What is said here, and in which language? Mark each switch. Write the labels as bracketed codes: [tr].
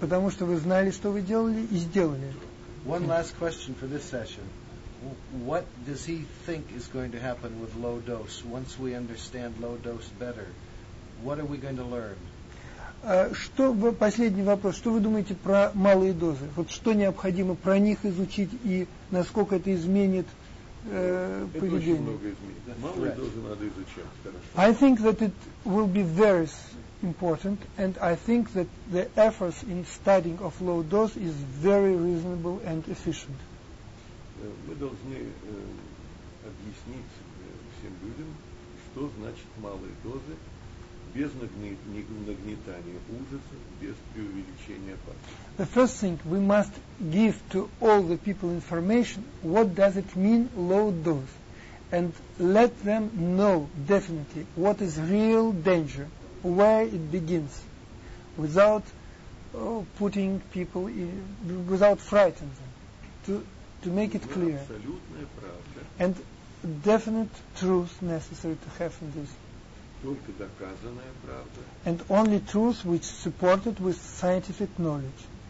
[ru] Потому что вы знали, что вы делали, и сделали. [en] One last question for this session. What does he think is going to happen with low dose? Once we understand low dose better, what are we going to learn? [ru] Что последний вопрос? Что вы думаете про малые дозы? Вот что необходимо про них изучить и насколько это изменит поведение? Это очень много изменит. Малые дозы надо изучать. Хорошо. [en] I think that it will be very important, and I think that the efforts in studying of low dose is very reasonable and efficient. [ru] Мы должны объяснить всем людям, что значит малые дозы. Без нагнетания ужаса, без преувеличения опасности. [en] The first thing we must give to all the people information, what does it mean low dose, and let them know definitely what is real danger, where it begins, without putting people in, without frightening them, to make it clear. [ru] Абсолютная правда. [en] And definite truth necessary to have in this. [ru] Только доказанная правда. [en] And only truth which is supported with scientific knowledge.